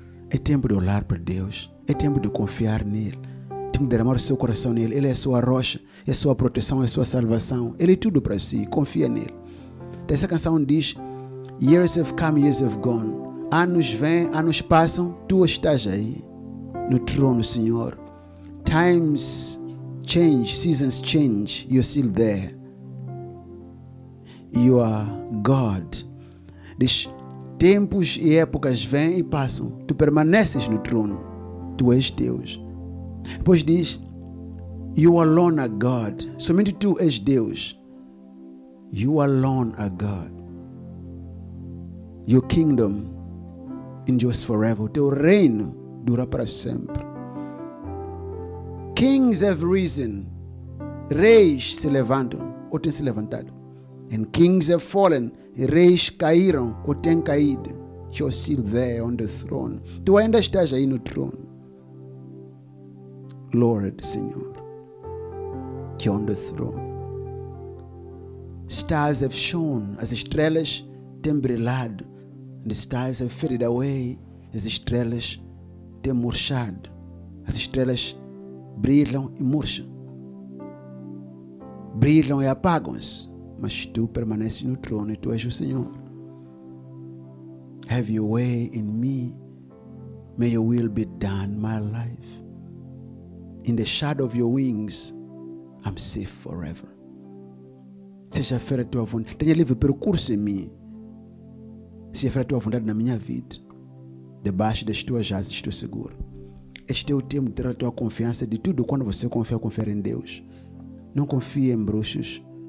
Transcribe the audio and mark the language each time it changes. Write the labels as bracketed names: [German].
[Portuguese] É tempo de olhar para Deus. É tempo de confiar nele. De derramar o seu coração nele. Ele é a sua rocha, é a sua proteção, é a sua salvação. Ele é tudo para si, confia nele. Essa canção diz: [English] Years have come, years have gone. [Portuguese] Anos vêm, anos passam, tu estás aí no trono, Senhor. [English] Times change, seasons change, you're still there. You are God. [Portuguese] Diz: tempos e épocas vêm e passam, tu permaneces no trono, tu és Deus. Depois diz: [English] You alone are God. [Portuguese] Somente tu és Deus. [English] You alone are God. Your kingdom endures forever. [Portuguese] Teu reino dura para sempre. [English] Kings have risen. [Portuguese] Reis se levantam ou têm se levantado. [English] And kings have fallen. [Portuguese] Reis caíram ou têm caído. [English] You're still there on the throne. [Portuguese] Tu ainda estás aí no trono. [English] Lord, Senhor, que on the throne. Stars have shone, [Portuguese] as estrelas têm brilhado. [English] And the stars have faded away, [Portuguese] as estrelas têm murchado. As estrelas brilham e murcham. Brilham e apagam-se, mas tu permaneces no trono e tu és o Senhor. [English] Have your way in me, may your will be done, my life. In the shadow of your wings, I'm safe forever. [Portuguese] Seja feita a tua vontade. Tenha livre percurso em mim. Seja feita a tua vontade na minha vida. Debaixo das tuas asas estou seguro. Este é o tempo de ter a tua confiança de tudo. Quando você confia em Deus. Não confia em bruxos.